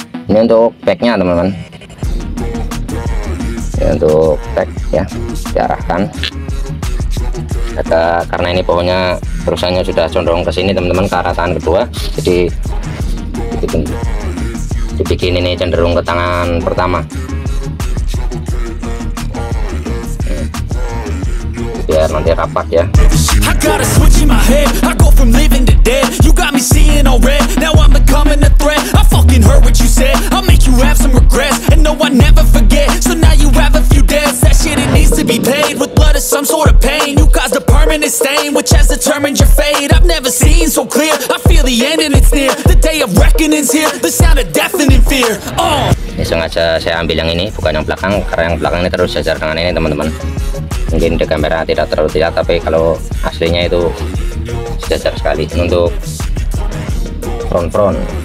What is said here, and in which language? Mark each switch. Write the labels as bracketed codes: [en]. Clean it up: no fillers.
[id] Ini untuk backnya teman-teman, ini untuk back ya, diarahkan ada, karena ini pohonnya terusannya sudah condong ke sini teman-teman, ke arah tangan kedua, jadi dibikin ini cenderung ke tangan pertama biar nanti rapat ya. [en] I gotta switch in my head, I go from living to dead. You got me seeing all red, now I'm becoming a threat. I fucking heard what you said, I'll make you have some regrets. And no, I never forget, so now you have a few deaths. That shit, it needs to be paid with blood of some sort of pain. You caused a permanent stain, which has determined your fate. I've never seen so clear, I feel the end and it's near. The day of reckoning's here, the sound of deafening fear. [id] Ini sengaja saya ambil yang ini, bukan yang belakang, karena yang belakang ini terus sejajar dengan ini teman-teman. Mungkin di kamera tidak terlalu terlihat, tapi kalau aslinya itu sejajar sekali. Ini untuk front.